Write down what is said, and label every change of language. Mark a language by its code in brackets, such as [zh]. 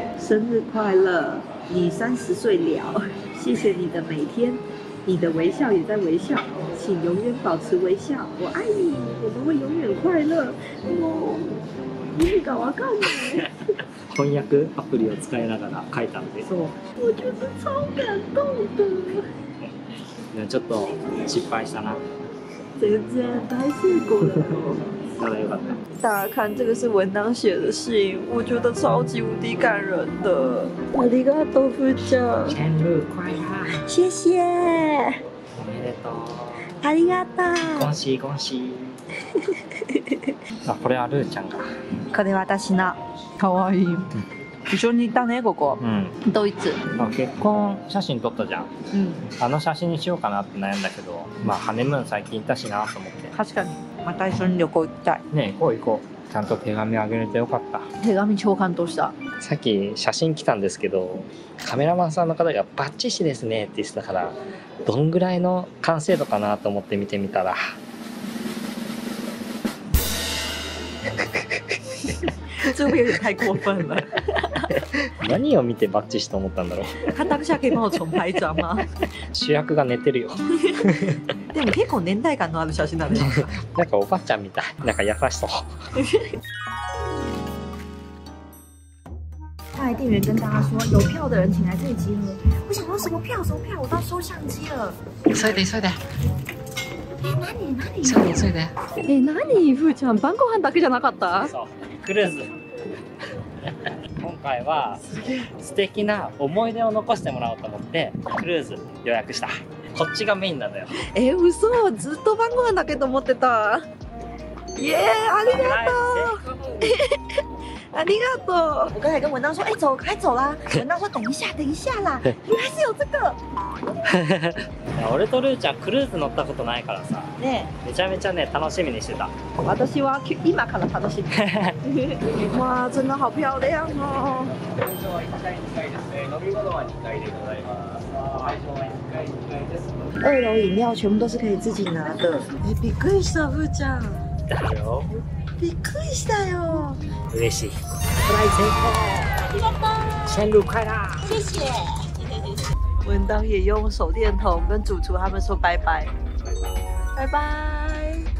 [zh] 生日快乐，你30岁了，谢谢你的每天，你的微笑也在微笑，请永远保持微笑，我爱你，我们会永远快乐。 [ja] もう意味が分かんない。翻訳アプリを使いながら書いたので。 [zh] そう。我就是超感动的。 [ja] ちょっと失敗したな。 [zh] 全然大成功了。那就好了。大家看，这个是文章写的信，我觉得超级无敌感人的。 [ja] ありがとう、ふーちゃん。 [zh] 生日快乐。谢谢。 [ja] おめでとう。ありがとう。 [zh] 恭喜恭喜。 [ja] あ、これはルーちゃんが。これは私の。かわいい。一緒にいたね、ここ。うん。ドイツ。結婚写真撮ったじゃん。うん。あの写真にしようかなって悩んだけど、まあハネムーン最近行ったしなと思って。確かに。また一緒に旅行行きたい。ね、行こう行こう。ちゃんと手紙あげれてよかった。手紙超感動した。さっき写真来たんですけど、カメラマンさんの方がバッチシですねって言ってたから、どんぐらいの完成度かなと思って見てみたら。 [zh] 这个有点太过分了。 [ja] 何を見てバッチシと思ったんだろう。 [zh] 他当下可以帮我重拍一张吗？ [ja] 主役が寝てるよ。でも結構年代感のある写真なんでしょうか。なんかおばちゃんみたい。なんか優しそう。 [zh] 他的店员跟大家说，有票的人请来这里集合。我想说什么票？什么票？我到收相机了。收一点，收一点。 [ja] 何？何？そうだよ、そうだよ。え、何？ふーちゃん、晩ご飯だけじゃなかった？そう、クルーズ。今回は素敵な思い出を残してもらおうと思ってクルーズ予約した。こっちがメインなのよ。え、嘘。ずっと晩ご飯だけと思ってた。イエー、ありがとう。ありがとう。 [zh] 我刚才跟文章说，哎，走，快走啦。文章说，等一下，等一下啦。原来是有这个。 [ja] 俺とルーちゃんクルーズ乗ったことないからさ、ね、めちゃめちゃね楽しみにしてた。私は今から楽しみ。 [zh] わあ、真的好漂亮哦。 [ja] 会場は1階2階ですね。飲み物は2階でございます。会場は1階2階です。 [zh] 二楼饮料全部都是可以自己拿的。 [ja] え、びっくりした、ふーちゃん。だよ。びっくりしたよ。嬉しい。プライス成功。ありがとう。 [zh] 生日快乐。谢谢。文章也用手电筒跟主厨他们说拜拜，拜拜，